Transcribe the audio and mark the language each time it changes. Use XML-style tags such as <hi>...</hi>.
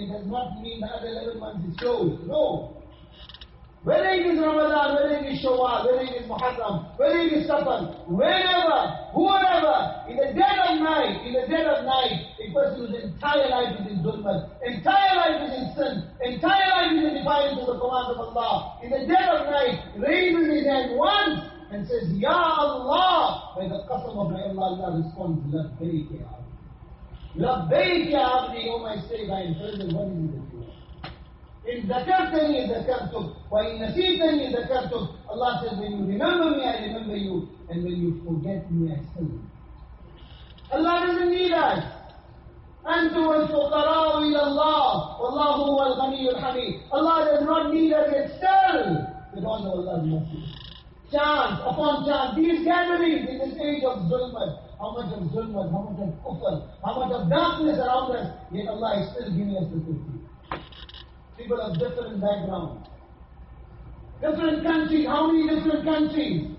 <en>It does not mean the other 11 months is closed. No. Whether it is Ramadan, whether it is Shawwal, whether it is Muharram, whether it is Safar, wherever, whoever, in the dead of night, a person's entire life is in zulmat, entire life is in sin, entire life is in defiance of the command of Allah, in the dead of night, raises his hand once and says, Ya Allah, by the qasam of my Allah, Allah responds, Labbaik Ya Abdi. Labbaik Ya Abdi, O my slave, I am present, what is it? In</en> <ar>ذَكَرْتَنِي ذَكَرْتُكْ وَإِنْ نَسِيْتَنِي ذَكَرْتُكْ</ar> <en>Allah says, when you remember me, I remember you. And when you forget me, I still remember you. Allah doesn't need us.</en> <ar>أَنْتُوا الْفُقَرَاءُ إِلَى اللَّهِ وَاللَّهُ هُوَ الْغَنِيُّ الْحَمِيدُ</ar> <en>Allah does not need us yet still. With all of Allah's mercy. Chance upon chance. These gatherings in this age of zulmat. How much of zulmat, how much of kufr, how much of darkness around us. Yet Allah is still giving us the truth. People of different backgrounds. Different countries, how many different countries?</en>